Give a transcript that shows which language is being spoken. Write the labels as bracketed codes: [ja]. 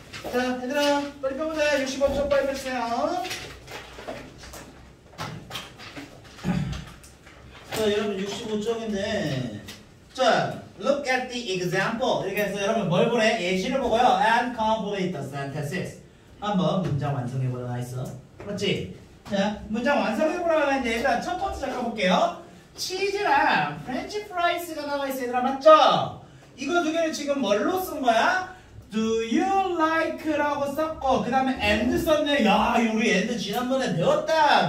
[ko] 자 얘들아 빨리 65초 빨리 했어요 자 여러분 65초인데 자 [en] Look at the example. [ko] 이렇게 해서 여러분 뭘 보래? 예시를 보고요. [en] And complete the sentences. [ko] 한번 문장 완성해보라고 했어. 그렇지? 자, 문장 완성해보라고 했는데 일단 첫 번째 적어볼게요. 치즈랑 프렌치 프라이스가 나와있어 얘들아 맞죠? 이거 두 개를 지금 뭘로 쓴 거야? [en] Do you like? [ko] 라고 썼고 그 다음에 and 썼네. 야, 우리 and 지난번에 배웠다.